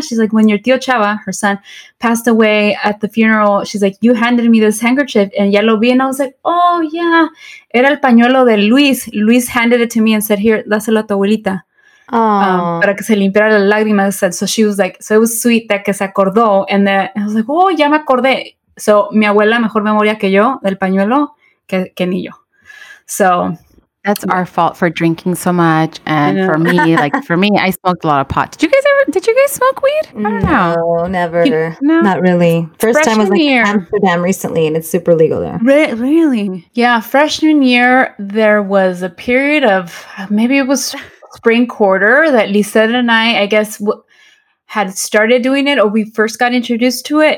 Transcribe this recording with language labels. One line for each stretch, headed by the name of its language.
English: She's like, "When your tío Chava, her son, passed away at the funeral, she's like, you handed me this handkerchief and
Spanish: ya lo vi."
English: And I was like, "Oh, yeah.
Spanish: Era el pañuelo de Luis.
English: Luis handed it to me and said, here,
Spanish: dáselo a tu abuelita. Para que se limpiara las lágrimas."
English: Said. So she was like, so it was sweet that
Spanish: que se acordó.
English: And then I was like, "Oh,
Spanish: ya me acordé." So mi abuela mejor memoria que yo del pañuelo que ni yo.
English: So... That's our fault for drinking so much. And for me, I smoked a lot of pot. Did you guys smoke weed? No, never. Not really. First time was like Amsterdam recently, and it's super legal there. Really? Yeah. Freshman year, there was a period of maybe it was spring quarter that Lisa and I guess had started doing it, or we first got introduced to it.